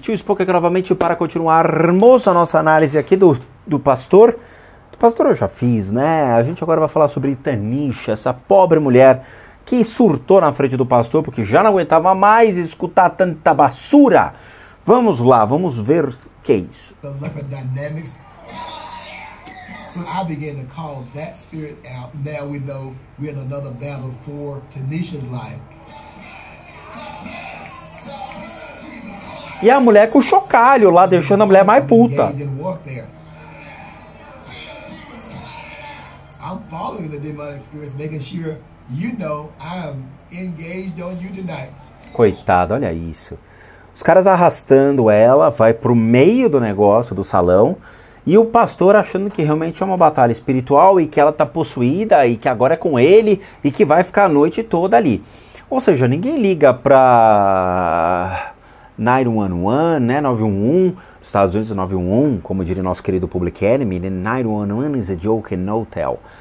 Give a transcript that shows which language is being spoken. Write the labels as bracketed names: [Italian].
[Portuguese] Tio Spook aqui novamente para continuarmos a nossa análise aqui do pastor. Do pastor eu já fiz, né? A gente agora vai falar sobre Tanisha, essa pobre mulher que surtou na frente do pastor porque já não aguentava mais escutar tanta basura. Vamos lá, vamos ver o que é isso. [English] The leopard dynamics. So I began to call that spirit out. Now we know we're in another battle for Tanisha's life. [Portuguese] E a mulher com o chocalho lá, deixando a mulher mais puta. [English] I'm following the demonic spirits, making sure you know I'm engaged on you tonight. [Portuguese] Coitado, olha isso. Os caras arrastando ela, vai pro meio do negócio, do salão. E o pastor achando que realmente é uma batalha espiritual e que ela tá possuída e que agora é com ele e que vai ficar a noite toda ali. Ou seja, ninguém liga pra 911, né, 911, Estados Unidos 911, como diria nosso querido Public Enemy, [English] 911 is a joke and no tell.